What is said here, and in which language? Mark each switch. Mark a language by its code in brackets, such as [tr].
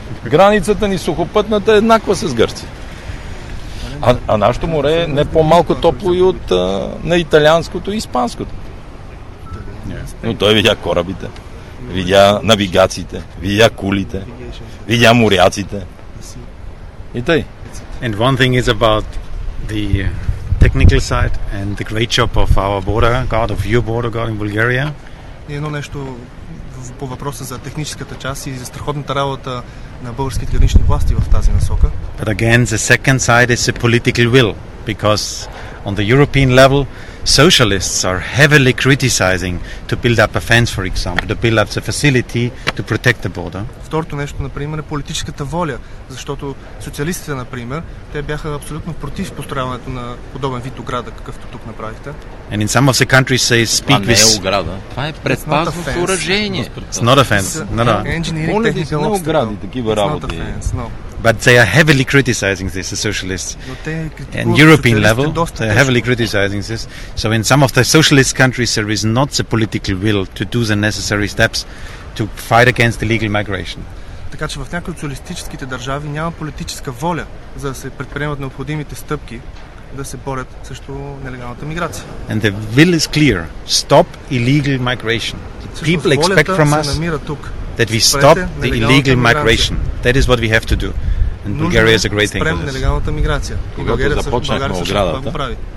[bg] Границата ни сухопътната е еднаква с Гърция. А нашето море е не по-малко топло и от на италианското и испанското. Но той видя корабите, видя навигациите, видя кулите, видя моряците. И тъй. [en] And one thing is about the technical side and the great job of our border guard, of your border guard in Bulgaria. [bg] Едно нещо по въпроса за техническата част и за страхотната работа на българските гранични власти в тази насока. [en] But again, the second side is the political will, because on the European level, socialists are heavily criticizing to build up a fence, for example, to build up the facility to protect the border. [bg] Второто нещо, например, е политическата воля, защото социалистите, например, те бяха абсолютно против построяването на подобен вид ограда, какъвто тук направихте. [en] And in some of the countries they speak with... [bg] Това не е ограда. Това е предпазно съоръжение. [en] It's not a fence. No, no. Engineering, technical obstacle. [bg] Не огради, такива работи. [en] It's not a fence, no. But they are heavily criticizing this, the socialists. And European level, they are heavily criticizing this. So in some of the socialist countries, there is not the political will to do the necessary steps to fight against illegal migration. [bg] Така че в някои от социалистическите държави няма политическа воля за да се предприемат необходимите стъпки да се борят срещу нелегалната миграция. [en] And the will is clear. Stop illegal migration. People expect from us that we stop the illegal migration. That is what we have to do. And Bulgaria is a great thing for this. [bg] Нелегалната миграция. Когато започнахме оградата